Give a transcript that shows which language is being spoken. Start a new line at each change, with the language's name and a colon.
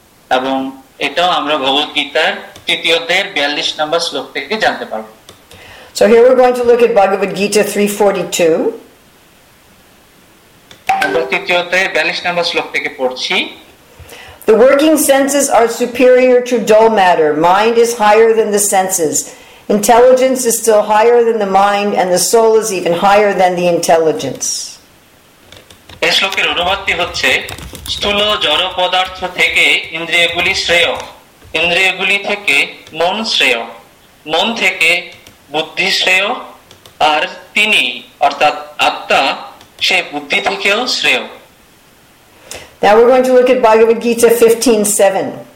Bangla: এবং এটাও আমরা ভগবদ গীতার তৃতীয় অধ্যায়ের 42 নম্বর শ্লোক থেকে জানতে পারব.
English: So here we're going to look at Bhagavad Gita 342.
Bangla: আমরা তৃতীয় অধ্যায়ের 42 নম্বর শ্লোক থেকে পড়ছি.
English: The working senses are superior to dull matter. Mind is higher than the senses. Intelligence is still higher than the mind, and the soul is even higher than the intelligence.
Bangla: এই শ্লোকের অনুবাদটি হচ্ছে স্থূল জড় পদার্থ থেকে ইন্দ্রিয়গুলি শ্রেয়, ইন্দ্রিয়গুলি থেকে মন শ্রেয়, মন থেকে বুদ্ধি শ্রেয়, আর তিনি অর্থাৎ আত্মা সে বুদ্ধি থেকেও শ্রেয়.
English: Now we're going to look at Bhagavad Gita 15:7.